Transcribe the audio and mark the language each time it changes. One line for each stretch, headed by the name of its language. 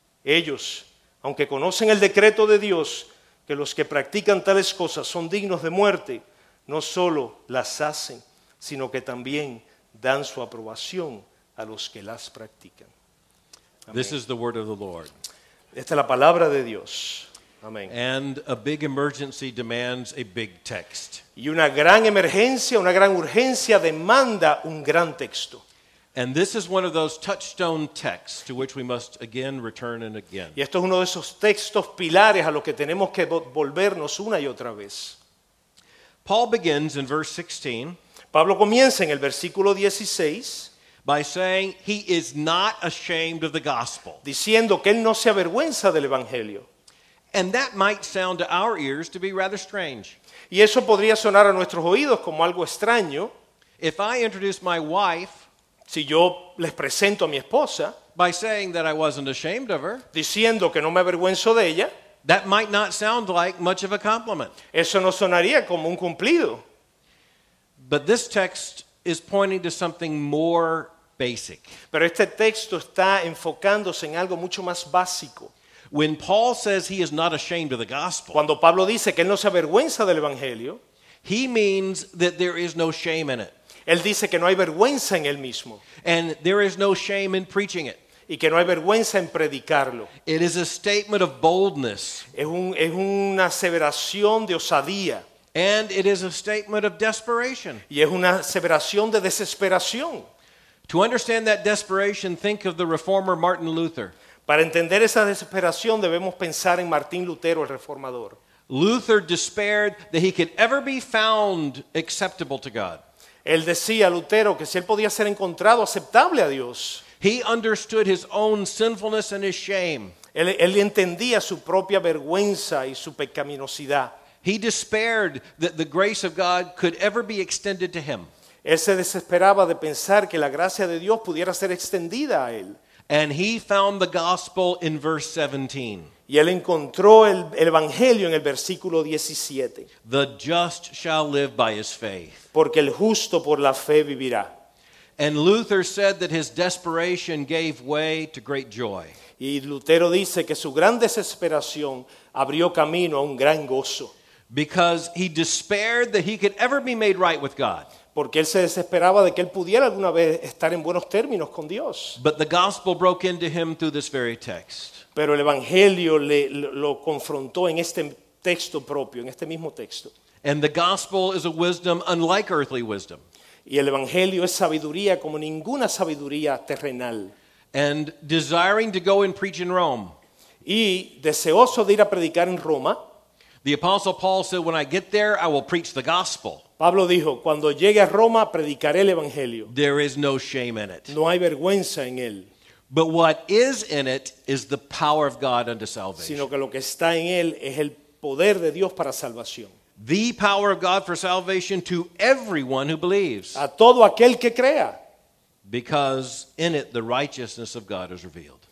Spanish: Ellos, aunque conocen el decreto de Dios, que los que practican tales cosas son dignos de muerte, no solo las hacen, sino que también dan su aprobación a los que las practican.
English: Amén. This is the word of the Lord.
Spanish: Esta es la palabra de Dios. Amén.
English: And a big emergency demands a big text.
Spanish: Y una gran emergencia, una gran urgencia demanda un gran texto.
English: And this is one of those touchstone texts to which we must again return and again.
Spanish: Y esto es uno de esos textos pilares a los que tenemos que volvernos una y otra vez.
English: Paul begins in verse 16.
Spanish: Pablo comienza en el versículo 16.
English: By saying he is not ashamed of the gospel.
Spanish: Diciendo que él no se avergüenza del evangelio.
English: And that might sound to our ears to be rather strange.
Spanish: Y eso podría sonar a nuestros oídos como algo extraño.
English: If I introduce my wife.
Spanish: Si yo les presento a mi esposa,
English: by saying that I wasn't ashamed of her,
Spanish: diciendo que no me avergüenzo de ella,
English: that might not sound like much of a compliment.
Spanish: Eso no sonaría como un cumplido.
English: But this text is pointing to something more basic.
Spanish: Pero este texto está enfocándose en algo mucho más básico.
English: When Paul says he is not ashamed of the gospel,
Spanish: cuando Pablo dice que él no se avergüenza del evangelio,
English: he means that there is no shame in it.
Spanish: Él dice que no hay vergüenza en él mismo.
English: And there is no shame in preaching it.
Spanish: Y que no hay vergüenza en predicarlo.
English: It is a statement of boldness.
Spanish: Es una aseveración de osadía.
English: And it is a statement of desperation.
Spanish: Y es una aseveración de desesperación.
English: To understand that desperation, think of the reformer Martin Luther.
Spanish: Para entender esa desesperación, debemos pensar en Martín Lutero, el reformador.
English: Luther despaired that he could ever be found acceptable to God.
Spanish: Él decía, Lutero, que si él podía ser encontrado aceptable a Dios.
English: He understood his own sinfulness and his shame.
Spanish: Él entendía su propia vergüenza y su pecaminosidad.
English: He despaired that the grace of God could ever be extended to him.
Spanish: Él se desesperaba de pensar que la gracia de Dios pudiera ser extendida a él.
English: And he found the gospel in verse 17.
Spanish: Y él encontró el evangelio en el versículo 17.
English: The just shall live by his faith.
Spanish: Porque el justo por la fe vivirá.
English: And Luther said that his desperation gave way to great joy.
Spanish: Y Lutero dice que su gran desesperación abrió camino a un gran gozo.
English: Because he despaired that he could ever be made right with God.
Spanish: Porque él se desesperaba de que él pudiera alguna vez estar en buenos términos con Dios.
English: But the gospel broke into him through this very text.
Spanish: Pero el evangelio lo confrontó en este texto propio, en este mismo texto.
English: And the gospel is a wisdom unlike earthly wisdom.
Spanish: Y el evangelio es sabiduría como ninguna sabiduría terrenal.
English: And desiring to go and preach in Rome.
Spanish: Y deseoso de ir a predicar en Roma.
English: The apostle Paul said, "When I get there, I will preach the gospel."
Spanish: Pablo dijo, "Cuando llegue a Roma, predicaré el evangelio."
English: There is no shame in it.
Spanish: No hay vergüenza en él.
English: But what is in it is the power of God unto salvation.
Spanish: Sino que lo que está en él es el poder de Dios para salvación.
English: The power of God for salvation to everyone who believes.
Spanish: A todo aquel que crea.
English: Because in it the righteousness of God is revealed.